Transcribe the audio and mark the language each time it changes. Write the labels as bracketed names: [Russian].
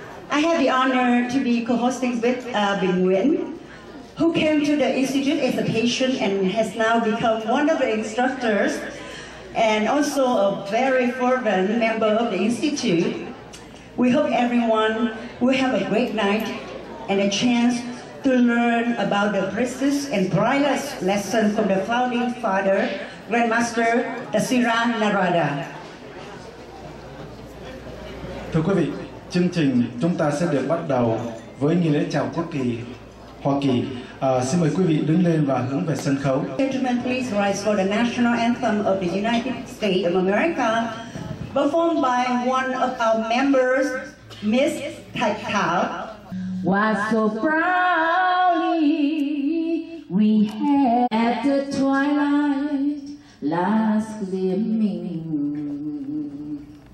[English] I have the honor to be co-hosting with Bình Nguyễn, who came to the Institute as a patient and has now become one of the instructors and also a very fervent member of the Institute. We hope everyone will have a great night and a chance to learn about the precious and brightest lesson from the founding father, Grandmaster Dasira Narada. [Vietnamese] Thưa quý vị, chương trình chúng ta sẽ được bắt đầu với nghi lễ chào quốc kỳ Hoa Kỳ. Xin mời quý vị đứng lên và hướng về sân khấu. [English] Gentlemen, please rise for the national anthem of the United States of America, performed by one of our members, Miss Thạch Thảo. Why so proudly we had at the twilight last gleaming,